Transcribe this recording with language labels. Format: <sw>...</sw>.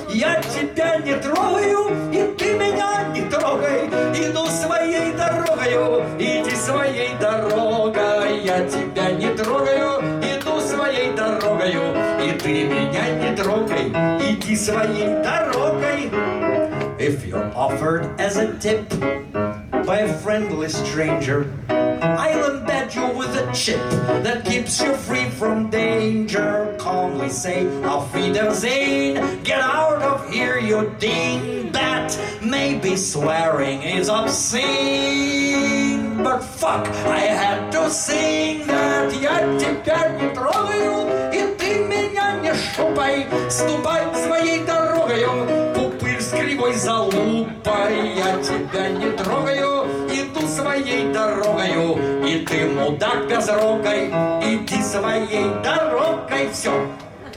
<ru>Я тебя не трогаю, и ты меня не трогай. Иду своей дорогою, иди своей дорогой. Я тебя не трогаю, иду своей дорогою, и ты меня не трогай. Иди своей дорогой.</ru> <en>If you're offered as a tip by a friendly stranger, I'll embed you with a chip that keeps you free from danger. Calmly say,</en> <de>auf Wiedersehen,</de> <en>get out of here, you dingbat. Maybe swearing is obscene, but fuck, I had to sing that.</en> <ru>Я тебя не трогаю, и ты меня не шупай. Ступай своей дорогою, пупырь с кривой залупой. Я тебя не трогаю, иду своей дорогою, и ты, мудак, без рогой, иди своей дорогой. Все.</ru>